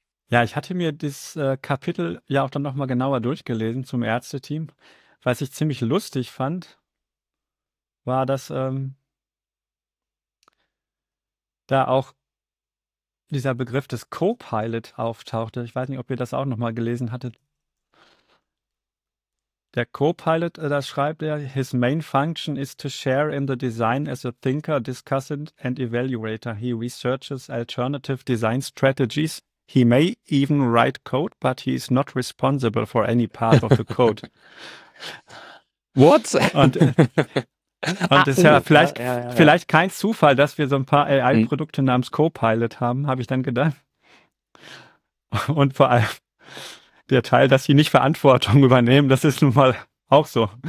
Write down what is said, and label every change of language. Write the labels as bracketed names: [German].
[German] Ja, ich hatte mir das Kapitel ja auch dann nochmal genauer durchgelesen zum Ärzteteam. Was ich ziemlich lustig fand, war, dass da auch dieser Begriff des Co-Pilot auftauchte. Ich weiß nicht, ob ihr das auch nochmal gelesen hattet. Der Co-Pilot, da schreibt er, [English] his main function is to share in the design as a thinker, discussant and evaluator. He researches alternative design strategies. He may even write code, but he is not responsible for any part of the code. What? [German] Und das ist vielleicht kein Zufall, dass wir so ein paar AI-Produkte namens Copilot haben, habe ich dann gedacht. Und vor allem der Teil, dass sie nicht Verantwortung übernehmen, das ist nun mal auch so.